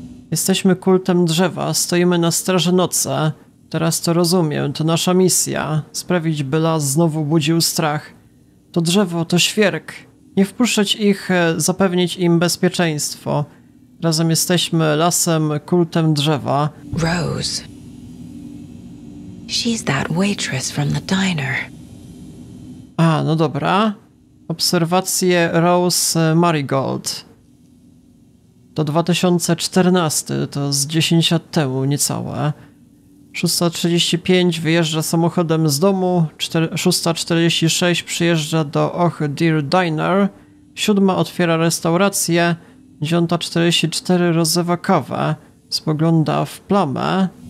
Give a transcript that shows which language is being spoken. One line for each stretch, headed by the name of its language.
Polish: Jesteśmy kultem drzewa, stoimy na straży nocy. Teraz to rozumiem, to nasza misja. Sprawić, by las znowu budził strach. To drzewo, to świerk. Nie wpuszczać ich, zapewnić im bezpieczeństwo. Razem jesteśmy lasem, kultem drzewa.
English: Rose. She's that waitress from the diner.
Polish: A, no dobra. Obserwacje Rose Marigold. To 2014, to z 10 lat temu niecałe. 6.35 wyjeżdża samochodem z domu, 6.46 przyjeżdża do Och Dear Diner, 7 otwiera restaurację, 9.44 rozlewa kawę, spogląda w plamę.